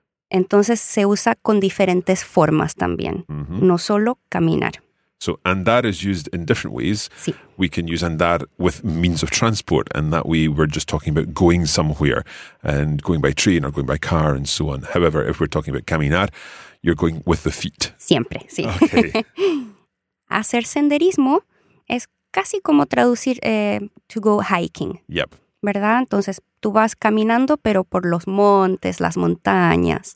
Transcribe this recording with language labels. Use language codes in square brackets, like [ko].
[es] Entonces se usa con diferentes formas también, no solo caminar. [en] So andar is used in different ways. [es] Sí. [en] We can use andar with means of transport, and that way we're just talking about going somewhere and going by train or going by car and so on. However, if we're talking about caminar, you're going with the feet. [es] Siempre, sí. [en] Okay. [es] Hacer senderismo es casi como traducir [en] to go hiking. Yep. [es] ¿Verdad? Entonces, tú vas caminando, pero por los montes, las montañas.